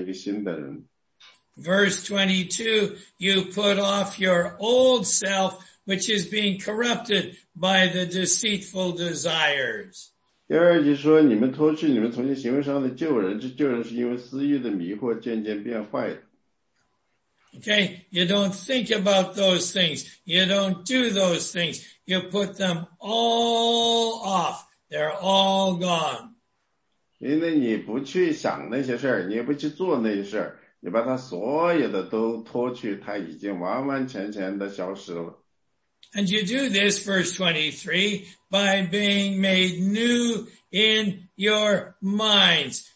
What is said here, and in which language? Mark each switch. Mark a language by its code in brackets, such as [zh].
[zh] 他是过去是在他们的罪里，然后呢，当他们信了主以后呢，他来到这里，主跟他换上了一个新衣服，他就是完完全全成了一个新的人。 [en] Verse 22, you put off your old self, which is being corrupted by the deceitful desires. [zh] 第二就说，你们脱去你们从前行为上的旧人，这旧人是因为私欲的迷惑渐渐变坏的。 [en] Okay, you don't think about those things. You don't do those things. You put them all off. They're all gone. [zh] 因为你不去想那些事儿，你不去做那些事儿，你把它所有的都脱去，它已经完完全全的消失了。 [en] And you do this, verse 23, by being made new in your minds.